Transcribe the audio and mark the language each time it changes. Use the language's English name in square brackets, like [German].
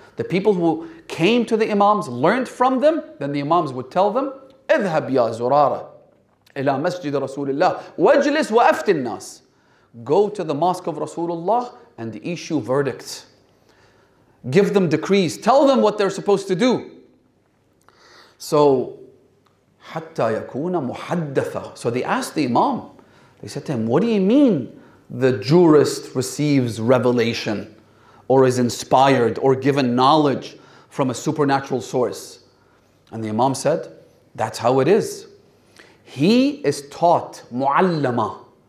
[English] The people who came to the imams, learned from them, then the imams would tell them, [Arabic] اذهب يا زرارة إلى مسجد رسول الله واجلس وأفت الناس. [English] Go to the mosque of Rasulullah and issue verdicts. Give them decrees. Tell them what they're supposed to do. [Arabic] So, حتى يكون محدثا. [English] So they asked the imam, they said to him, what do you mean the jurist receives revelation or is inspired or given knowledge from a supernatural source? And the imam said, that's how it is. He is taught mu'allama.